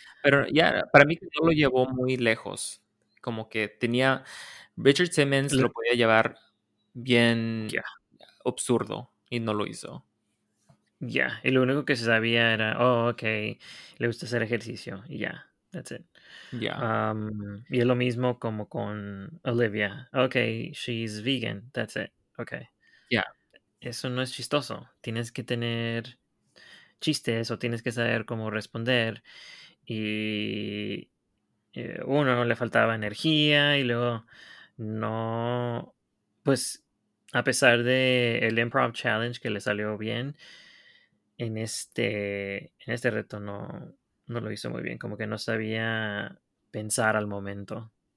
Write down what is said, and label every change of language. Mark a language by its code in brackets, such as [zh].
[es] Pero ya, para mí no lo llevó muy lejos. Como que tenía Richard Simmons lo podía llevar bien absurdo y no lo hizo. Ya, y lo único que se sabía era, okay, le gusta hacer ejercicio y ya, [en] that's it. Yeah. [es] Y es lo mismo como con Olivia. [en] Okay, she's vegan, that's it. Okay. Yeah. [es] Eso no es chistoso. Tienes que tener chistes o tienes que saber cómo responder. Y uno le faltaba energía y luego no, pues a pesar de el improv challenge que le salió bien, en este reto no lo hizo muy bien, como que no sabía pensar al momento.